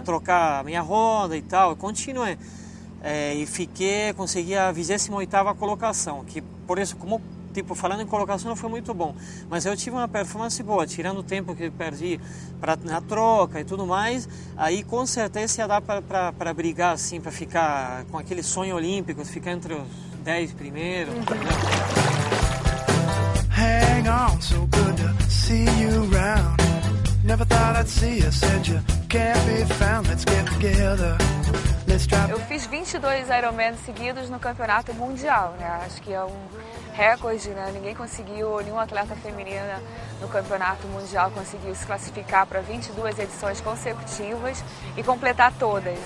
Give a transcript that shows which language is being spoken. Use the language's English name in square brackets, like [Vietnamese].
[Portuguese] trocar a minha roda e tal. Continuei. E consegui a 28ª colocação, que por isso, como tipo falando em colocação, não foi muito bom, mas eu tive uma performance boa, tirando o tempo que perdi para na troca e tudo mais, aí com certeza ia dar para brigar, assim, para ficar com aquele sonho olímpico, ficar entre os 10 primeiros. [English] Hang on, so good to see you around. Never thought I'd see you, said you can't be found. Let's get together. [Portuguese] Eu fiz 22 Ironman seguidos no campeonato mundial, né? Acho que é um recorde, né? Ninguém conseguiu, nenhuma atleta feminina no campeonato mundial conseguiu se classificar para 22 edições consecutivas e completar todas.